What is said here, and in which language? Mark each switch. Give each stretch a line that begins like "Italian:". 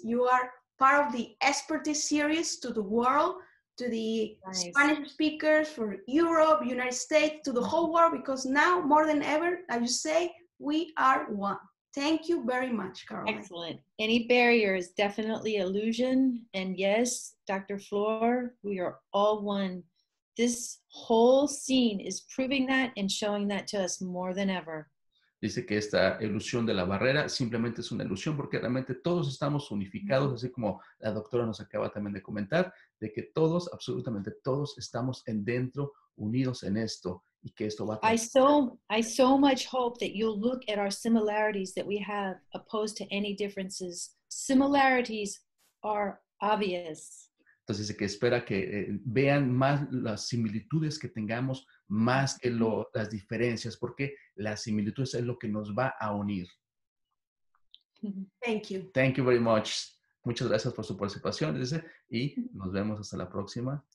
English: You are part of the expertise series to the world, to the Spanish speakers for Europe, United States, to the whole world, because now more than ever, as you say, we are one. Thank you very much, Caroline. Excellent. Any barrier is definitely illusion. And yes, Dr. Floor, we are all one. This whole scene is proving that and showing that to us more than ever.
Spanish: Dice que esta ilusión de la barrera simplemente es una ilusión porque realmente todos estamos unificados, así como la doctora nos acaba también de comentar, de que todos, absolutamente todos, estamos en dentro, unidos en esto, y que esto va a...
English: I so much hope that you'll look at our similarities that we have opposed to any differences. Similarities are obvious.
Spanish: Entonces, dice que espera que vean más las similitudes que tengamos, más que las diferencias, porque las similitudes es lo que nos va a unir.
English: Thank you. Thank you very much.
Spanish: Muchas gracias por su participación, dice, y nos vemos hasta la próxima.